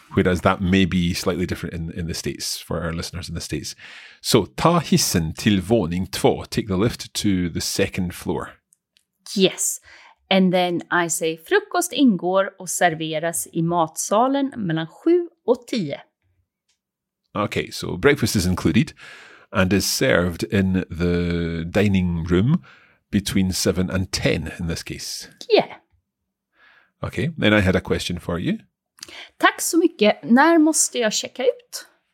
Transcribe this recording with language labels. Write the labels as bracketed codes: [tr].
[en] Whereas that may be slightly different in the States for our listeners in the States. [sv] So ta hissen till våning två. [en] Take the lift to the second floor. Yes. And then I say [sv] frukost ingår och serveras i matsalen mellan 7 och 10. [en] Okay, so breakfast is included and is served in the dining room between 7 and 10 in this case. Yeah. Okay, then I had a question for you. [sv] Tack så mycket. När måste jag checka ut?